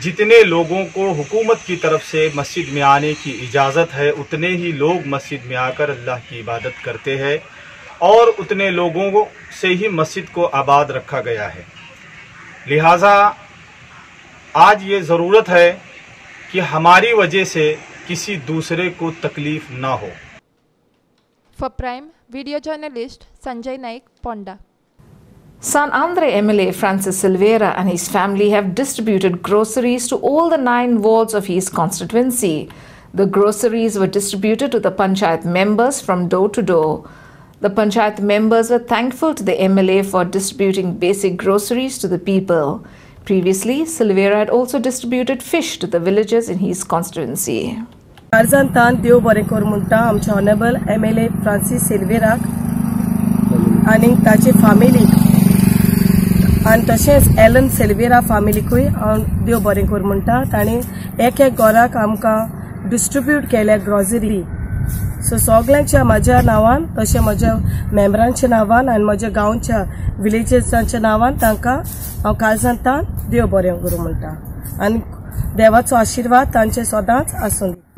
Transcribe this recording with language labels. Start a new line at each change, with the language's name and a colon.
Hindi: जितने लोगों को हुकूमत की तरफ से मस्जिद में आने की इजाज़त है, उतने ही लोग मस्जिद में आकर अल्लाह की इबादत करते हैं, और उतने लोगों से ही मस्जिद को आबाद रखा गया है। लिहाजा आज ये ज़रूरत है कि हमारी वजह से किसी दूसरे को तकलीफ ना हो।
English: For prime video journalist Sanjay Naik Ponda. San Andre MLA Francis Silveira and his family have distributed groceries to all the 9 wards of his constituency. The groceries were distributed to the panchayat members from door to door. The panchayat members were thankful to the MLA for distributing basic groceries to the people. Previously, Silveira had also distributed fish to the villagers in his constituency.
Konkani: Arzan Tan Deo Barekor Munta, Amcha Honorable MLA Francis Silveira and Tache family. आनी तशेंच एलन सिल्वेरा फामिलीकूय हांव देव बरें करूं म्हणटा। तांणी एक एक घराक आमकां डिस्ट्रिब्यूट केल्या ग्रॉसरी। सो सगळ्यांच्या म्हज्या नांवान, तशें म्हज्या मेंबरांच्या नांवान आनी म्हज्या गांवच्या विलेजर्सांच्या नांवान तांकां हांव काळजांतान देव बरें करूं म्हणटा, आनी देवाचो आशिर्वाद तांचे सदांच आसूं।